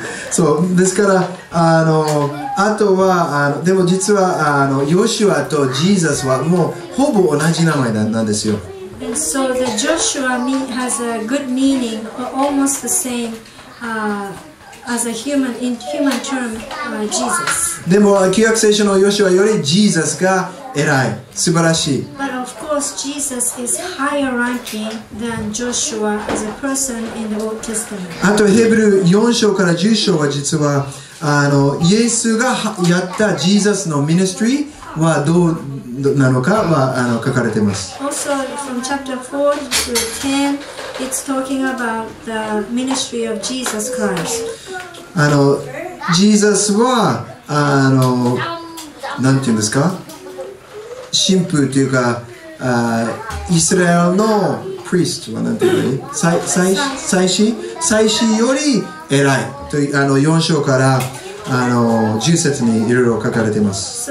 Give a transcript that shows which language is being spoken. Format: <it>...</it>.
<ja>そう、ですから、あの、あとは、あの、でも実は、あの、ヨシュアとジーザスはもうほぼ同じ名前なんですよ。</ja> <en>So the Joshua has a good meaning, almost the same, as a human term, Jesus.</en> <ja>でも、旧約聖書のヨシュアよりジーザスが偉い、素晴らしい。</ja> <en>But of course, Jesus is higher ranking than Joshua as a person in the Old Testament.</en> <ja>あと、ヘブル4章から10章は実は、あのイエスがやったジーザスのミニストリーはどうなのかは、あの、書かれています。</ja> <en>Also from chapter 4 to 10 it's talking about the ministry of Jesus Christ.</en> <ja>あのジーザスは、あの、なんていうんですか、神父というか、あ、イスラエルのプリストはなんていうの、祭司より偉いと、あの4章から、あの、10節にいろいろ書かれています。</ja>